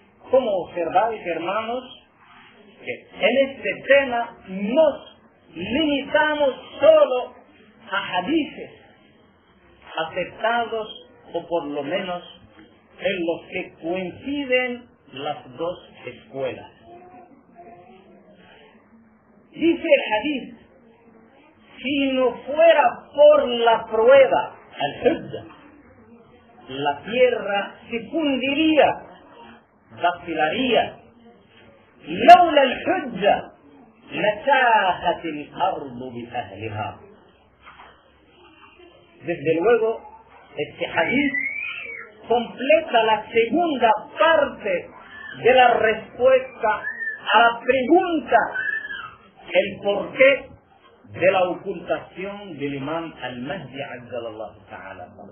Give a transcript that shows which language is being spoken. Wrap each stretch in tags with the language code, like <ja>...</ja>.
<es>Como observáis, hermanos, que en este tema nos limitamos solo a hadices aceptados, o por lo menos en los que coinciden las dos escuelas. Dice el hadith: si no fuera por la prueba</es> <ar>الحجة.</ar> <es>La tierra se fundiría, vacilaría.</es> <ar>لولا الحجة لتاهت الأرض بأهلها.</ar> <es>Desde luego, este hadith completa la segunda parte de la respuesta a la pregunta el porqué de la ocultación del imán al-Mahdi azzalallahu ta'ala.</es>